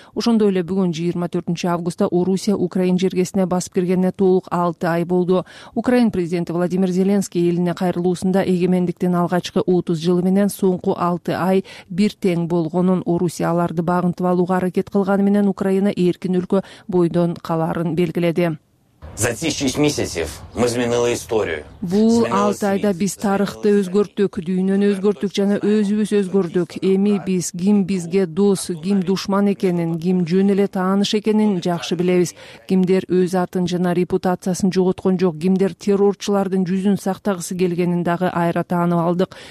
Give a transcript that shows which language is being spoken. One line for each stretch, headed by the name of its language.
Kyrgyz: Ошондой эле бүгүн 24 августта Орусия Украин жергесине басып киргенине толук 6 ай болду. Украин президенти Владимир Зеленский элине кайрылуусунда эгемендиктин алгачкы 30 жылы менен соңку 6 ай бир тең болгонун, Орусия аларды багынтып алууга аракет кылганы менен Украина эркин өлкө бойдон каларын белгиледи.
Russian: За эти 6 месяцев мы изменили историю.
Kyrgyz: Бул 6 айда биз тарыхты өзгөрттүк, дүйнөнү өзгөрттүк жана өзүбүз өзгөрдүк. Эми биз ким бизге дос, ким душман экенин, ким жөн эле тааныш экенин жакшы билебиз. Кимдер өз атын жана репутациясын жоготкон жок, кимдер террорчулардын жүзүн сактагысы келгенин дагы айра таанып алдык.